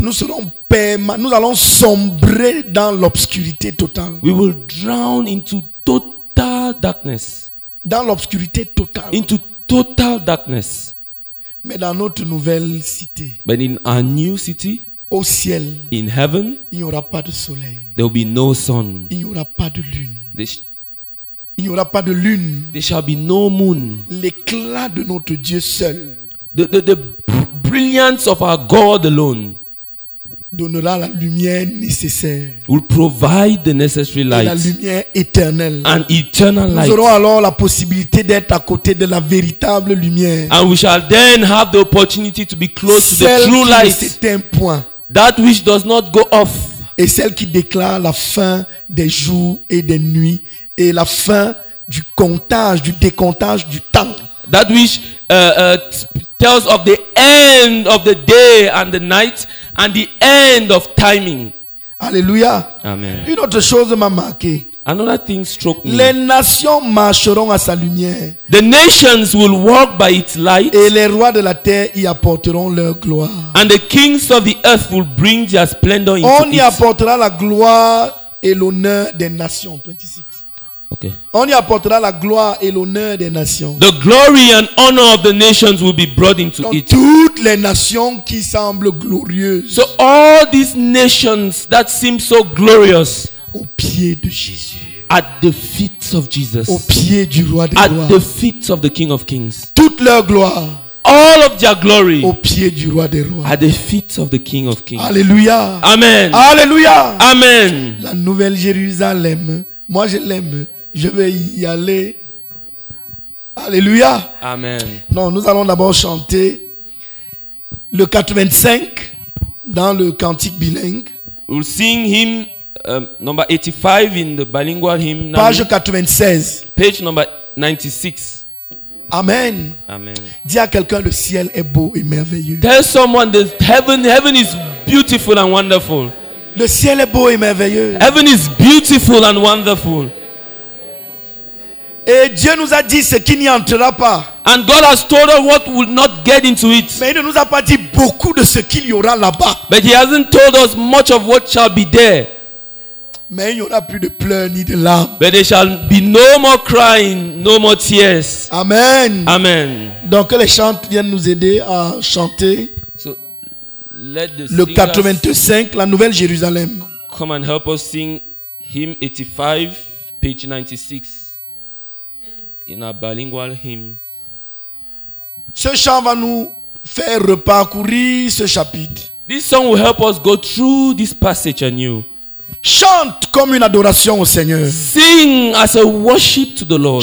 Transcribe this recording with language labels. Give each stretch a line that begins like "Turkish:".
French: Nous allons sombrer dans l'obscurité totale.
English: We will drown into total darkness.
French: Dans l'obscurité totale.
English: Into total darkness.
French: Mais dans notre nouvelle cité.
English: But in our new city.
French: Au ciel,
English: in heaven,
French: il n'y aura pas de soleil.
English: There will be no sun.
French: Il n'y aura pas de lune. Il n'y aura pas de lune.
English: There shall be no moon.
French: L'éclat de notre Dieu seul,
English: the brilliance of our God alone,
French: donnera la lumière nécessaire.
English: Will provide the necessary light.
French: La lumière éternelle.
English: An eternal light.
French: Nous aurons alors la possibilité d'être à côté de la véritable lumière.
English: And we shall then have the opportunity to be close
French: celle
English: to the true light.
French: Celle qui ne s'éteint point.
English: That which does not go off.
French: Et celle qui déclare la fin des jours et des nuits et la fin du comptage, du décomptage du temps.
English: That which tells of the end of the day and the night and the end of timing.
French: Alléluia.
English: Amen.
French: Une autre chose m'a marqué.
English: Another thing struck me.
French: Les nations marcheront à sa lumière.
English: The nations will walk by its light.
French: Et les rois de la terre y apporteront leur gloire.
English: And the kings of the earth will bring their splendor into it.
French: On y apportera la gloire et l'honneur des nations.
English: 26. Okay.
French: On y apportera la gloire et l'honneur des nations.
English: The glory and honor of the nations will be brought into
French: Dans
English: it.
French: Toutes les nations qui semblent glorieuses.
English: So all these nations that seem so glorious.
French: Au pied de Jésus.
English: At the feet of Jesus.
French: Au pied du roi des
English: at
French: rois.
English: At the feet of the King of Kings.
French: Toute leur gloire.
English: All of their glory.
French: Au pied du roi des rois.
English: At the feet of the King of Kings.
French: Alléluia.
English: Amen.
French: Alléluia.
English: Amen.
French: La nouvelle Jérusalem. Moi, je l'aime. Je vais y aller. Alléluia.
English: Amen.
French: Non, nous allons d'abord chanter le 85 dans le cantique bilingue.
English: We'll sing hymn number 85 in the bilingual hymn.
French: Page 96.
English: Page number 96. Amen. Amen.
French: Dis à quelqu'un, le ciel est beau et merveilleux.
English: Tell someone that heaven is beautiful and wonderful.
French: Le ciel est beau et merveilleux.
English: Heaven is beautiful and wonderful.
French: Et Dieu nous a dit ce qui n'y entrera pas.
English: And God has told us what will not get into it.
French: Mais il ne nous a pas dit beaucoup de ce qu'il y aura là-bas.
English: But he hasn't told us much of what shall be there.
French: Mais il n'y aura plus de pleurs ni de larmes.
English: But there shall be no more crying, no more tears. Amen. Amen.
French: Donc que les chants viennent nous aider à chanter.
English: So let the
French: singers, le 85, la Nouvelle Jérusalem.
English: Come and help us sing hymn 85, page 96, in our bilingual hymn.
French: Ce chant va nous faire reparcourir ce chapitre.
English: This song will help us go through this passage anew.
French: Chante comme une adoration au Seigneur.
English: Sing as a worship to the Lord.